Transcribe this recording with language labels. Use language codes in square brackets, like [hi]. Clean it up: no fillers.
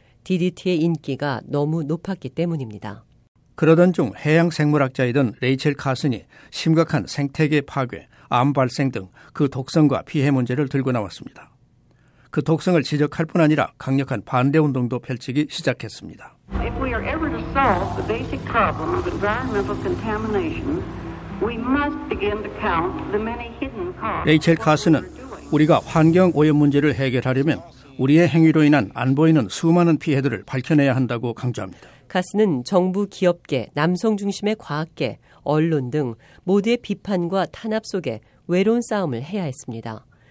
[ko] DDT의 인기가 너무 높았기 때문입니다. 그러던 중 해양생물학자이던 레이첼 카슨이 심각한 생태계 파괴, 암 발생 등 그 독성과 피해 문제를 들고 나왔습니다. 그 독성을 지적할 뿐 아니라 강력한 반대 운동도 펼치기 시작했습니다. [en] If we are ever to solve the basic problem of environmental contamination, we must begin to count the many hidden costs. [ko] 레이첼 카슨은 우리가 환경 오염 문제를 해결하려면 우리의 행위로 인한 안 보이는 수많은 피해들을 밝혀내야 한다고 강조합니다. 카슨은 정부, 기업계, 남성 중심의 과학계, 언론 등 모두의 비판과 탄압 속에 외로운 싸움을 해야 했습니다.